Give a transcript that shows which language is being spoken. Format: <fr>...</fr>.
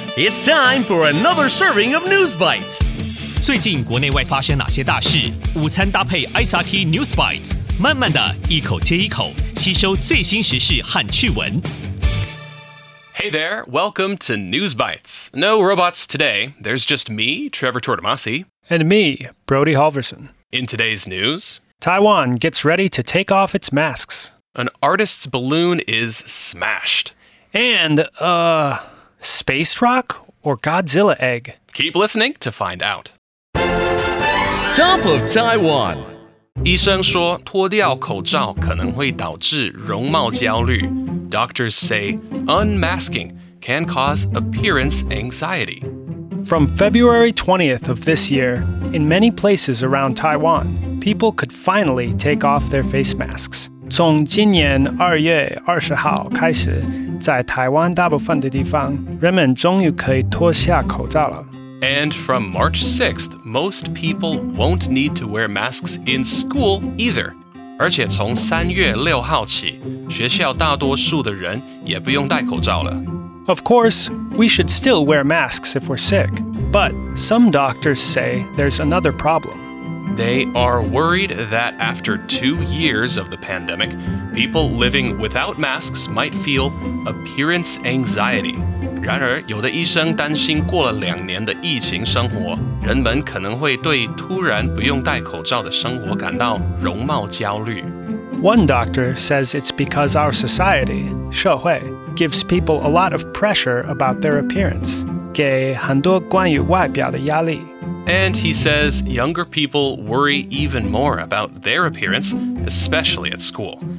<en>It's time for another serving of News Bites.</en> <zh>最近国内外发生哪些大事？午餐搭配 SRT News Bites， 慢慢的一口接一口，吸收最新时事和趣闻。</zh> <en>Hey there, welcome to News Bites. No robots today. There's just me, Trevor Tortomasi. And me, Brody Halverson. In today's news, Taiwan gets ready to take off its masks. An artist's balloon is smashed. And, space rock or Godzilla egg? Keep listening to find out. Top of Taiwan.</en> <zh>医生说脱掉口罩可能会导致容貌焦虑。</zh> <en>Doctors say unmasking can cause appearance anxiety. From February 20th of this year, in many places around Taiwan, people could finally take off their face masks.</en> <zh>从今年2月20号开始，在台湾大部分的地方，人们终于可以脱下口罩了。</zh> <en>And from March 6th, most people won't need to wear masks in school either.</en> <zh>而且从3月6号起，学校大多数的人也不用戴口罩了。</zh> <en>Of course, we should still wear masks if we're sick. But some doctors say there's another problem. They are worried that after 2 years of the pandemic, people living without masks might feel appearance anxiety.</en> <zh>然而，有的医生担心过了两年的疫情生活，人们可能会对突然不用戴口罩的生活感到容貌焦虑。</zh> <en>One doctor says it's because our society,</en> <zh>社会,</zh> <en>gives people a lot of pressure about their appearance,</en> <zh>给很多关于外表的压力。</zh> <en>And he says younger people worry even more about their appearance, especially at school.</en>